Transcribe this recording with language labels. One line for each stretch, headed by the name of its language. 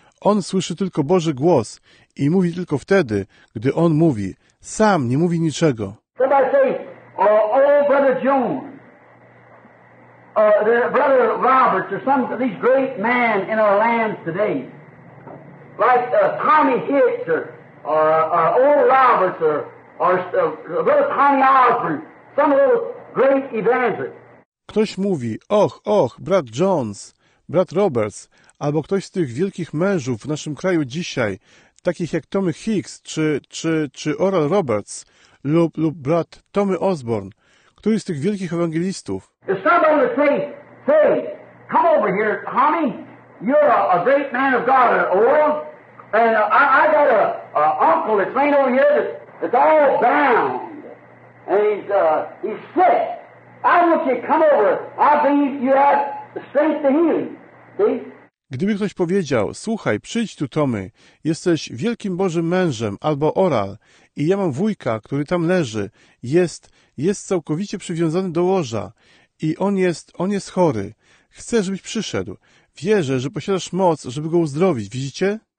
Polish: On słyszy tylko Boży głos i mówi tylko wtedy, gdy on mówi. Sam nie mówi niczego.
English: Somebody say, Brother June, Brother Roberts, or some of these great men in our land today, like Tommy Hicks, or Old Roberts, or Brother Tommy Osborne, some of those great evangelists.
Polish: Ktoś mówi, och, brat Jones, brat Roberts, albo ktoś z tych wielkich mężów w naszym kraju dzisiaj, takich jak Tommy Hicks czy Oral Roberts lub brat Tommy Osborne, który z tych wielkich ewangelistów.
English: If somebody would say, come over here, Tommy, you're a great man of God, Oral, and I got a uncle that's laying over here that's all bound, and he's sick. I want you to come over. I believe you have the strength to heal.
Polish: Gdyby ktoś powiedział, słuchaj, przyjdź tu, Tommy, jesteś wielkim Bożym mężem albo Oral i ja mam wujka, który tam leży, jest całkowicie przywiązany do łoża i on jest chory. Chcę, żebyś przyszedł. Wierzę, że posiadasz moc, żeby go uzdrowić, widzicie?